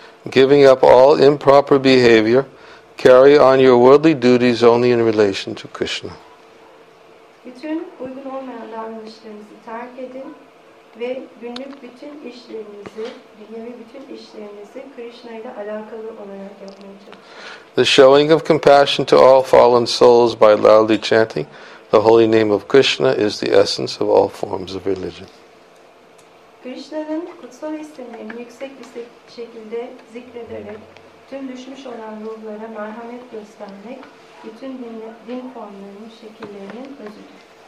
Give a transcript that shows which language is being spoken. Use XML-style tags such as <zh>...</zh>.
<en>Giving up all improper behavior, carry on your worldly duties only in relation to Krishna.</en> <tr>Bütün uygun olmayan davranışlarınızı terk edin ve günlük bütün işlerinizi, dünyevi bütün işlerinizi Krishna ile alakalı olarak yapmaya çalışın.</tr> <en>The showing of compassion to all fallen souls by loudly chanting the holy name of Krishna is the essence of all forms of religion.</en> <tr>Krishna'nın kutsal isimlerini yüksek bir şekilde zikrederek tüm düşmüş olan ruhlara merhamet göstermek bütün din formlarının şekillerinin özüdür.</tr>